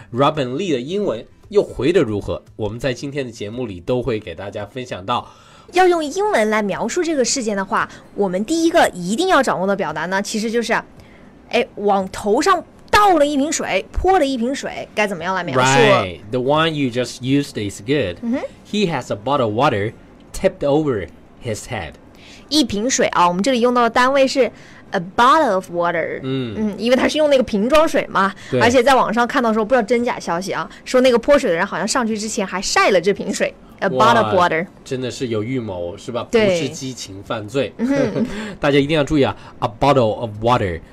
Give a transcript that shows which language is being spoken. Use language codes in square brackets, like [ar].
[zh] Robin Lee 的英文又回得如何？我们在今天的节目里都会给大家分享到。要用英文来描述这个事件的话，我们第一个一定要掌握的表达呢，其实就是，哎，往头上倒了一瓶水，泼了一瓶水，该怎么样来描述 [en] ？Right, the one you just used is good.、He has a bottle of water tipped over his head. [zh] 一瓶水啊，我们这里用到的单位是。 [en] A bottle of water. [zh] 因为他是用那个瓶装水嘛，而且在网上看到说不知道真假消息啊，说那个泼水的人好像上去之前还晒了这瓶水。 [en] A bottle of water. [zh] 真的是有预谋是吧？不是激情犯罪。大家一定要注意啊 ， [en] A bottle of water.